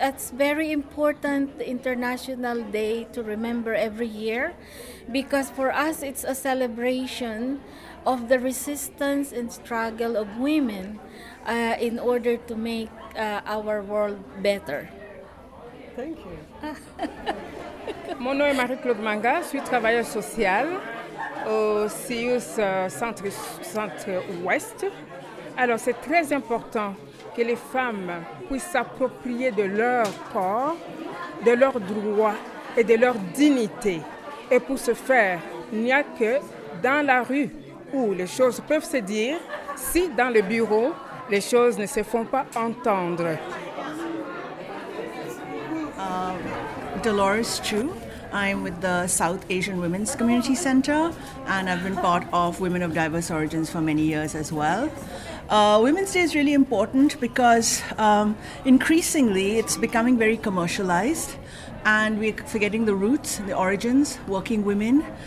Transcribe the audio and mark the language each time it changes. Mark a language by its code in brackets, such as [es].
[en] It's very important International Day to remember every year, because for us it's a celebration of the resistance and struggle of women in order to make our world better. Thank you. [fr] Mon nom est Marie-Claude Manga, je suis travailleuse sociale au CIUS Centre-Ouest. Alors, c'est très important que les femmes puissent s'approprier de leur corps, de leurs droits et de leur dignité. Et pour ce faire, il n'y a que dans la rue où les choses peuvent se dire, si dans le bureau, les choses ne se font pas entendre. [en] Dolores Chu. I'm with the South Asian Women's Community Center, and I've been part of Women of Diverse Origins for many years as well. Women's Day is really important because increasingly it's becoming very commercialized, and we're forgetting the roots, the origins, working women.